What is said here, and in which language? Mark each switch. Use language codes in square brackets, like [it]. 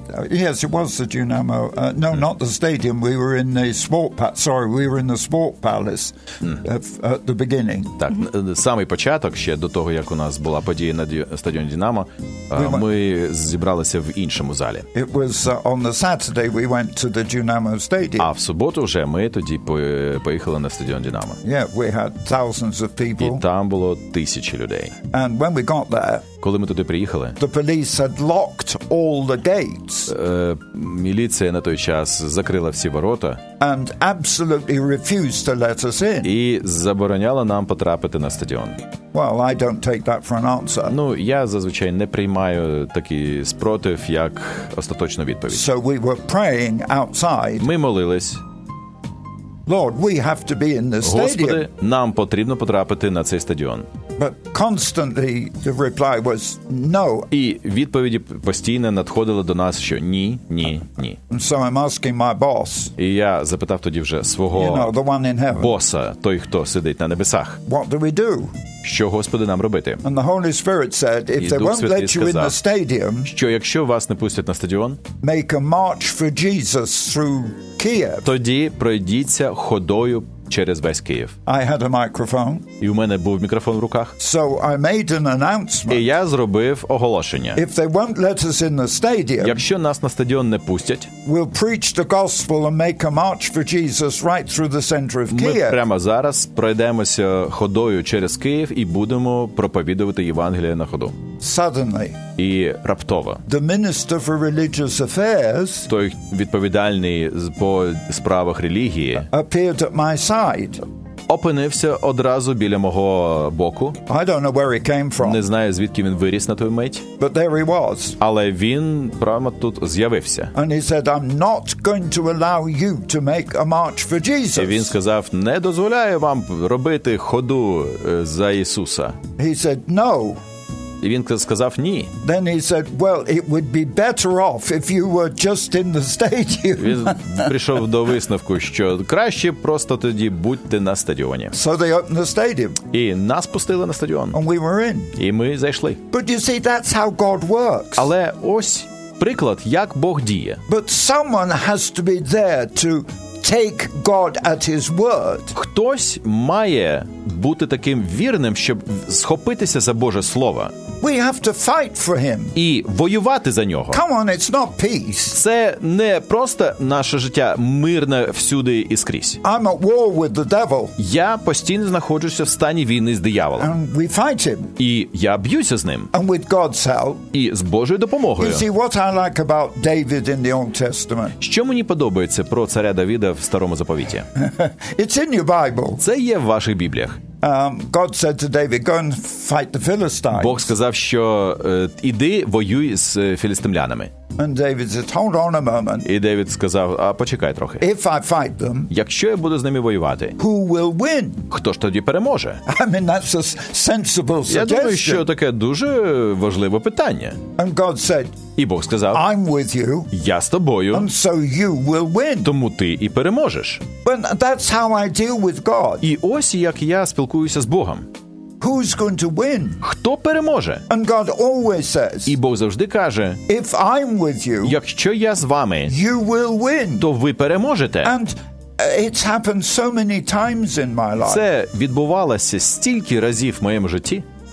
[en] Yes, it was the Dynamo. No, not the stadium. We were in the sport. We were in the sport palace at the beginning. [uk] Так, самий початок ще до того, як у нас була подія на стадіоні Динамо, ми зібралися в іншому залі. [en] It was on the Saturday we went to the Dynamo stadium. [uk] А в суботу вже ми тоді поїхали на стадіон Динамо. [en] Yeah, we had thousands of people. [uk] І там було тисячі людей. [en] And when we got there, [uk] коли ми туди приїхали, [en] the police had locked all the gates. [uk] Міліція на той час закрила всі ворота. [en] And absolutely refused to let us in. [uk] І забороняла нам потрапити на стадіон. [en] Well, I don't take that for an answer. [uk] Ну, я зазвичай не приймаю такий спротив як остаточну відповідь. [en] So we were praying outside. [uk] Ми молились. [en] Lord, we have to be in the stadium. [uk] Господи, нам потрібно потрапити на цей стадіон. [en] But constantly the reply was no. [uk] І відповіді постійно надходили до нас, що ні, ні, ні. [en] And so I'm asking my boss. [uk] І я запитав тоді вже свого, [en] you know, the one in heaven, [uk] боса, той, хто сидить на небесах. [en] What do we do? [uk] Що, Господи, нам робити? [en] And the Holy Spirit said, if they won't let you in the stadium, [uk] що якщо вас не пустять на стадіон, [en] make a march for Jesus through Kiev. [uk] Тоді пройдіться ходою через весь Київ. [en] I had a microphone. [uk] І у мене був мікрофон в руках. [en] So I made an announcement. [uk] І я зробив оголошення. [en] If they won't let us in the stadium, [uk] якщо нас на стадіон не пустять, [en] we'll preach the gospel and make a march for Jesus right through the center of Kiev. [uk] Ми прямо зараз пройдемося ходою через Київ і будемо проповідувати Євангеліє на ходу. [en] Suddenly. [uk] І раптово. [en] The minister for religious affairs, [uk] той відповідальний по справах релігії, [en] appeared at my side. [uk] Опинився одразу біля мого боку. [en] I don't know where he came from. [uk] Не знаю, звідки він виріс на той мить. [en] But there he was. [uk] Але він прямо тут з'явився. [en] And he said, I'm not going to allow you to make a march for Jesus. [uk] І він сказав, не дозволяю вам робити ходу за Ісуса. [en] He said, no. [uk] І він сказав ні. [en] Then he said, well, it would be better off if you were just in the stadium. [uk] Він прийшов до висновку, що краще просто тоді будьте на стадіоні. [en] So they opened the stadium. [uk] І нас пустили на стадіон. [en] And we were in. [uk] І ми зайшли. [en] But you see, that's how God works. [uk] Але ось приклад, як Бог діє. [en] But someone has to be there to take God at his word. [uk] Хтось має бути таким вірним, щоб схопитися за Боже слово. [en] We have to fight for him. [uk] І воювати за нього. [en] Come on, it's not peace. [uk] Це не просто наше життя мирне всюди і скрізь. [en] I'm at war with the devil. [uk] Я постійно знаходжуся в стані війни з дияволом. [en] And we fight him. [uk] І я б'юся з ним. [en] And with God's help. [uk] І з Божою допомогою. [en] You see, what I like about David in the Old Testament. [uk] Що мені подобається про царя Давіда в Старому Заповіті? [en] It's in your Bible. [uk] Це є в ваших Бібліях. [en] God said to David, go and fight the Philistines. [uk] Бог сказав, що іди воюй з філістимлянами. [en] And David said, hold on a moment. [uk] І Давид сказав, а почекай трохи. [en] If I fight them, [uk] якщо я буду з ними воювати, [en] who will win? [uk] Хто ж тоді переможе? [en] I mean, that's a sensible suggestion. [uk] Я думаю, що таке дуже важливе питання. [en] And God said, [uk] і Бог сказав, [en] I'm with you, [uk] я з тобою, [en] and so you will win. [uk] Тому ти і переможеш. [en] But that's how I deal with God. [uk] І ось як я спілкуюся з Богом. [en] Who's going to win? [uk] Хто переможе? [en] And God always says, [uk] і Бог завжди каже, [en] if I'm with you, [uk] якщо я з вами, [en] you will win. [uk] То ви переможете. [en] And it's happened so many times in my life. [uk] Це відбувалося стільки разів в моєму житті.